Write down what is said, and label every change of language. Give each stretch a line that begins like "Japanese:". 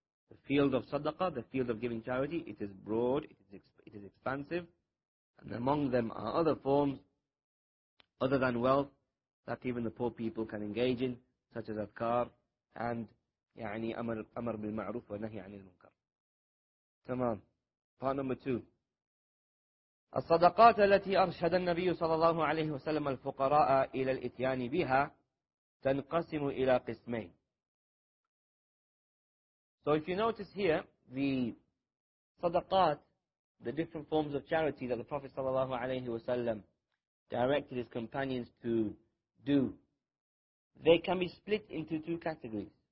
English: The field of sadaqah, the field of giving charity, it is broad, it is expansive. And among them are other forms, other than wealth, that even the poor people can engage in, such as adhkar and
Arabic: يعني أمر بالمعروف ونهي عن المنكر. تمام.
English: Part number two.
Arabic: الصدقات التي أرشد النبي صلى الله عليه وسلم الفقراء إلى الإتيان بها تنقسم إلى قسمين.
English: So if you notice here, the صدقات, the different forms of charity that the Prophet
Arabic: صلى الله عليه وسلم
English: directed his companions to do, they can be split into two categories.